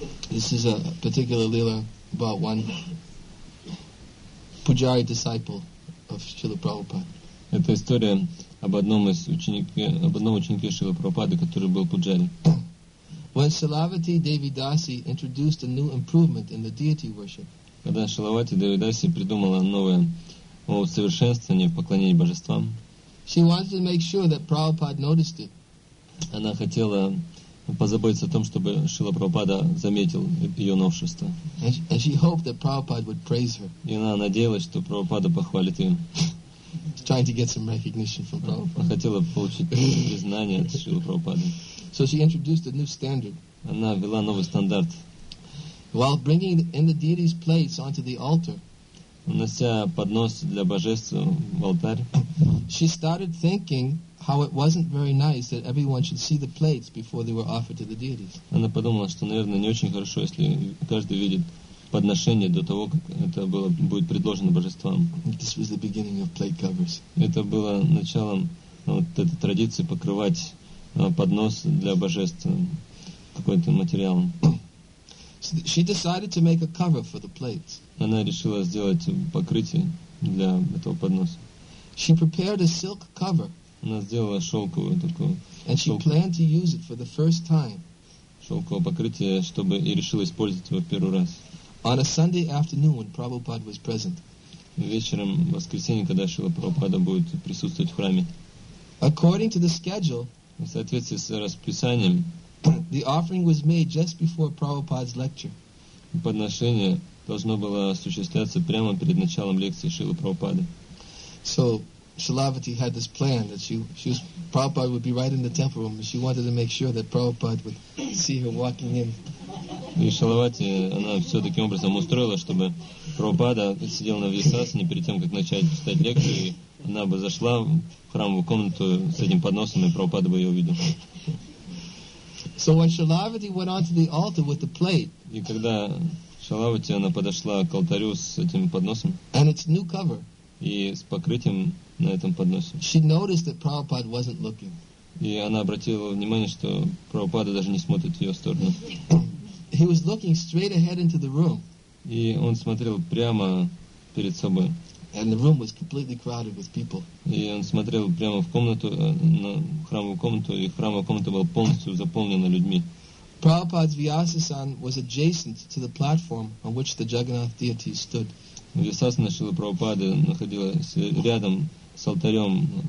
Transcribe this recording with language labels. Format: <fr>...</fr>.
<en>This is a particular lila about one pujari disciple of Srila Prabhupada.</en> <ru>Это история об одном из об одном ученике Шрила Прабхупады, который был пуджари.</ru> <en>When Shilavati Devidasi introduced a new improvement in the deity worship.</en> <ru>Когда Шилавати Девидаси придумала новое усовершенствование в поклонении божествам.</ru> <en>She wanted to make sure that Prabhupada noticed it.</en> <ru>Она хотела позаботиться о том, чтобы Шрила Прабхупада заметил ее новшество.</ru> <en>And she hoped that Prabhupada would praise her.</en> <ru>И она надеялась, что Прабхупада похвалит ее.</ru> <en>Trying to get some recognition from Prabhupada.</en> <ru>Хотела получить признание от Шрила Прабхупады.</ru> <en>So she introduced a new standard.</en> <ru>Она ввела новый стандарт.</ru> <en>While bringing in the deity's plates onto the altar.</en> <ru>Внося поднос для божества в алтарь.</ru> <en>She started thinking how it wasn't very nice that everyone should see the plates before they were offered to the deities.</en> <ru>Она подумала, что, наверное, не очень хорошо, если каждый видит подношение до того, как это было, будет предложено божествам.</ru> <en>This was the beginning of plate covers.</en> <ru>Это было началом вот этой традиции покрывать поднос для божеств какой-то материалом.</ru> <en>She decided to make a cover for the plates.</en> <ru>Она решила сделать покрытие для этого подноса.</ru> <en>She prepared a silk cover.</en> <ru>Она сделала шелковую такую.</ru> <en>And she planned to use it for the first time.</en> <ru>Шелковое покрытие, чтобы и решила использовать его первый раз.</ru> <en>On a Sunday afternoon when Prabhupada was present.</en> <ru>Вечером в воскресенье, когда Шрила Прабхупада будет присутствовать в храме.</ru> <en>According to the schedule.</en> <ru>В соответствии с расписанием.</ru> <en>The offering was made just before Prabhupada's lecture.</en> <ru>Подношение должно было осуществляться прямо перед началом лекции Шрилы Прабхупады.</ru> <en>So Shilavati had this plan that she was Prabhupada would be right in the temple room, and she wanted to make sure that Prabhupada would see her walking in.</en> <ru>И Шилавати она все таким образом устроила, чтобы Прабхупада сидел на висасане перед тем, как начать читать лекцию, и она бы зашла в храмовую комнату с этим подносом, и Прабхупада бы ее увидел.</ru> <en>So when Shilavati went onto the altar with the plate,</en> <ru>и когда Шилавати она подошла к алтарю с этим подносом,</ru> <en>and its new cover,</en> <ru>и с покрытием на этом подносе,</ru> <en>she noticed that Prabhupada wasn't looking.</en> <ru>И она обратила внимание, что Прабхупада даже не смотрит в ее сторону.</ru> <en>He was looking straight ahead into the room.</en> <ru>И он смотрел прямо перед собой.</ru> <en>And the room was completely crowded with people.</en> <ru>И он смотрел прямо в комнату, на храмовую комнату, и храмовая комната была полностью заполнена людьми.</ru> <en>Prabhupada's Vyasasan was adjacent to the platform on which the Jagannath deity stood.</en> <ru>Vyasasana Шрилы Прабхупады находилась рядом с алтарем.</ru>